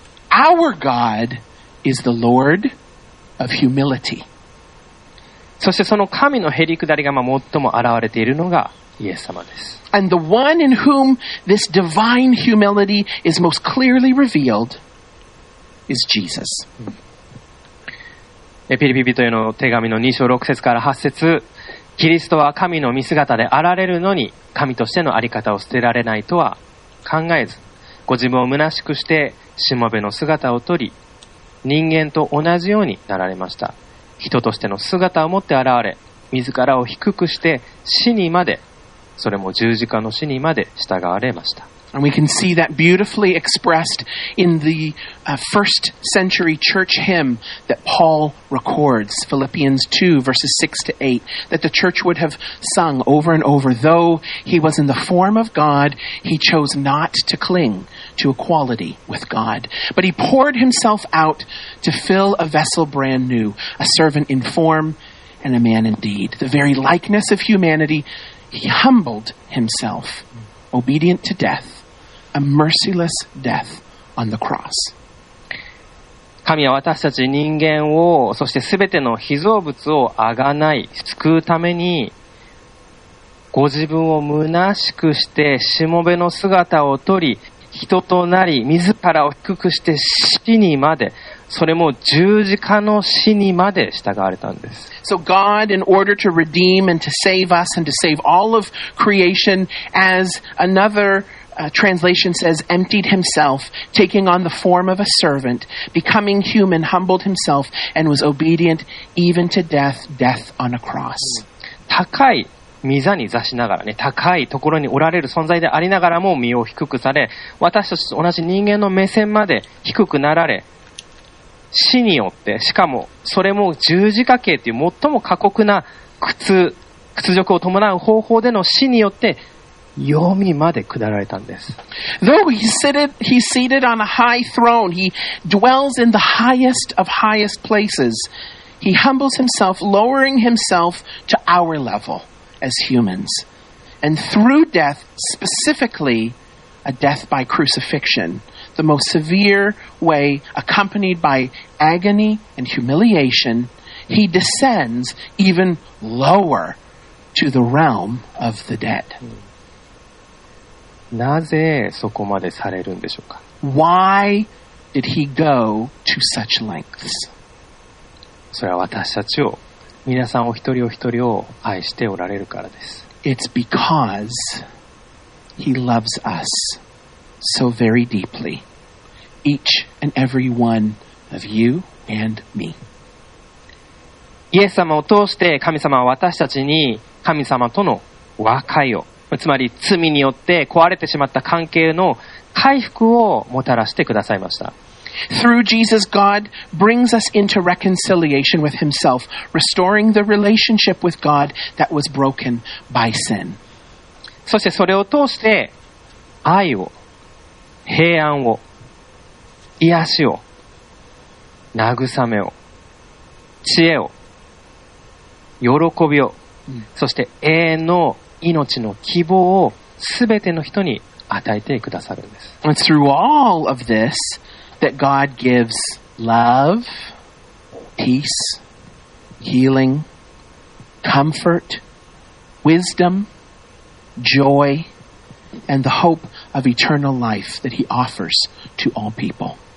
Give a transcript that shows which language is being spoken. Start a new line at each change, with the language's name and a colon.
English: Our God is the Lord of humility.
Japanese: そしてその神のへりくだりが最も現れているのがイエス様です。
English: And the one in whom this divine humility is most clearly revealed is Jesus.
Japanese: ピリピ人への手紙の2章6節から8節、キリストは神の見姿であられるのに、神としてのあり方を捨てられないとは考えず、ご自分を虚しくしてしもべの姿を取り、人間と同じようになられました。人としての姿を持って現れ、自らを低くして死にまで、それも十字架の死にまで従われました。
English: And we can see that beautifully expressed in the first century church hymn that Paul records, Philippians 2, verses 6 to 8, that the church would have sung over and over, though he was in the form of God, he chose not to cling to equality with God. But he poured himself out to fill a vessel brand new, a servant in form and a man in deed. The very likeness of humanity, he humbled himself, obedient to death, a merciless death on the cross.
Japanese: 神は私たち人間を、そして全ての被造物をあがない、救うために、ご自分を虚しくしてしもべの姿を取り、人となり、自らを低くして死にまで、それも十字架の死にまで従われたんです。
English: So God, in order to redeem and to save us and to save all of creation as another translation says, emptied himself, taking on the form of a servant, becoming human, humbled himself, and was obedient even to death, death on a cross.
Japanese: 高い溝に座しながらね、高いところにおられる存在でありながらも身を低くされ、私たちと同じ人間の目線まで低くなられ、死によって、しかもそれも十字架刑という最も過酷な屈辱を伴う方法での死によって、黄泉まで下られたんです。
English: Though he's seated on a high throne, he dwells in the highest of highest places. He humbles himself, lowering himself to our level as humans. And through death, specifically a death by crucifixion, the most severe way accompanied by agony and humiliation, he descends even lower to the realm of the dead.
Japanese: なぜそこまでされるんでしょうか。
English: Why did he go to such lengths?
Japanese: それは私たちを、皆さんお一人お一人を愛しておられるからです。
English: It's because he loves us so very deeply. Each and every one of you and me.
Japanese: イエス様を通して神様は私たちに神様との和解を、つまり罪によって壊れてしまった関係の回復をもたらしてくださいました。
English: Through Jesus, God brings us into reconciliation with himself, restoring the relationship with God that was broken by sin.
Japanese: そしてそれを通して愛を、平安を、癒しを、慰めを、知恵を、喜びを、そして永遠の命の希望をすべての人に与えてくださるんです。
English: And through all of this that God gives love, peace, healing, comfort, wisdom, joy, and the hope of eternal life that he offers to all people.